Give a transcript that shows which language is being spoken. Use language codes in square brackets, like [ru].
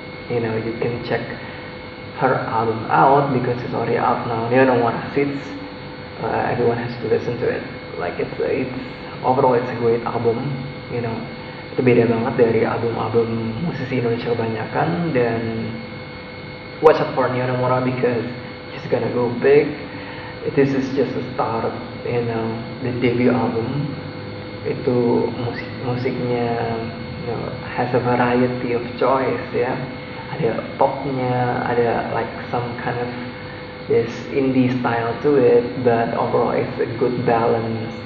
[en] You know, you can check her album out because it's already out now. NEONOMORA Seeds, everyone has to listen to it. Like it's overall it's a great album, you know. [id] Itu beda banget dari album-album musisi Indonesia kebanyakan. [en] Dan watch out for NEONOMORA because she's gonna go big. This is just a start, you know, the debut album. [id] Itu musiknya, [en] you know, has a variety of choice, yeah. [id] Ada popnya, ada [en] like some kind of this indie style to it, but overall it's a good balance.